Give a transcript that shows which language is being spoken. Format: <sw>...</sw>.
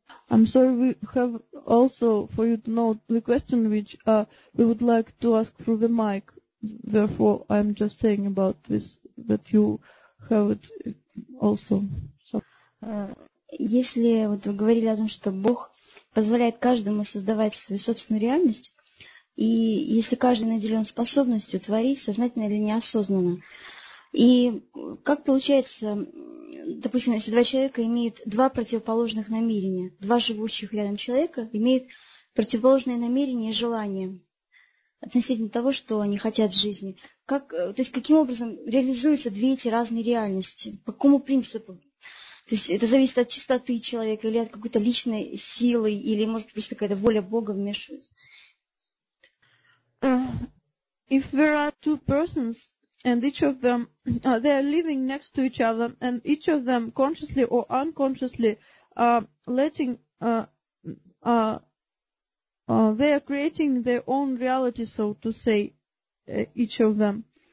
<en>I'm sorry, we have also for you to know the question which we would like to ask through the mic. Therefore, I'm just saying about this that you have it also. So.</en> <ru>Если вот вы говорили о том, что Бог позволяет каждому создавать свою собственную реальность, и если каждый наделен способностью творить сознательно или неосознанно. И как получается, допустим, если два человека имеют два противоположных намерения, два живущих рядом человека имеют противоположные намерения и желания относительно того, что они хотят в жизни. Как, то есть каким образом реализуются две эти разные реальности? По какому принципу? То есть это зависит от чистоты человека или от какой-то личной силы, или может быть просто какая-то воля Бога вмешивается?</ru> <en>If there are two persons, and each of them, they are living next to each other, and each of them consciously or unconsciously they are creating their own reality, so to say, each of them.</en>